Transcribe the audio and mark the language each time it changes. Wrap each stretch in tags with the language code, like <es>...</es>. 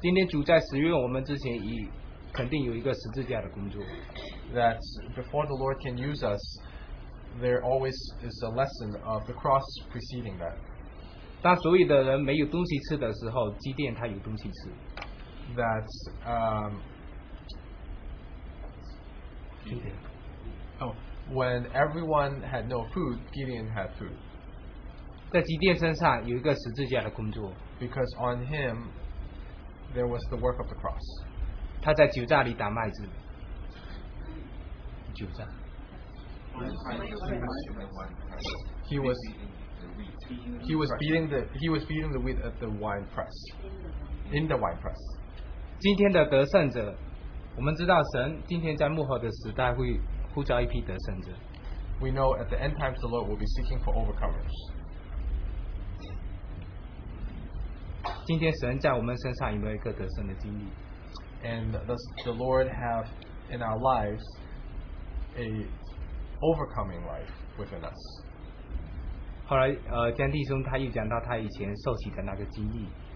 <zh>今天主在使用我们之前，已肯定有一个十字架的工作。</zh> <en>That before the Lord can use us, there always is a lesson of the cross preceding that.</en> <zh>当所有的人没有东西吃的时候，基甸他有东西吃。</zh> <en>That when everyone had no food, Gideon had food.</en> <zh>在基甸身上有一个十字架的工作</zh> <en>，because on him there was the work of the cross.</en> <zh>他在酒榨里打麦子。酒榨。</zh> <en>He was beating the wheat at the wine press. In the wine press.</en> <zh>今天的得胜者，我们知道神今天在幕后的时代会呼召一批得胜者。</zh> <en>We know at the end times the Lord will be seeking for overcomers.</en> <zh>今天神在我们身上有没有一个得胜的经历</zh> <en>？And does the Lord have in our lives a overcoming life within us？</en> <zh>后来，江弟兄他又讲到他以前受洗的那个经历。</zh>